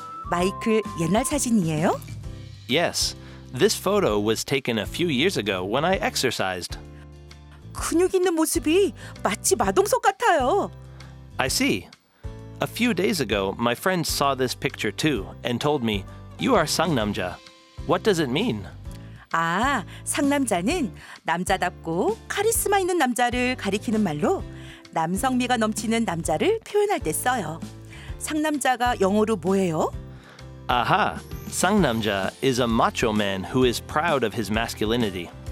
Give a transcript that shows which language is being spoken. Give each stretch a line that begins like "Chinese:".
Korean: 마이클, 옛날 사진이에요?
English: Yes, this photo was taken a few years ago when I exercised.
Korean: 근육 있는 모습이 마치 마동석 같아요.
English: I see. A few days ago, my friend saw this picture too and told me, "You are
Korean: 상남자."
English: What does it mean?
Korean: 아, 상남자는 남자답고 카리스마 있는 남자를 가리키는 말로 남성미가 넘치는 남자를 표현할 때 써요. 상남자가 영어로 뭐예요?
English: 아하, 상남자 is a macho man who is proud of his masculinity.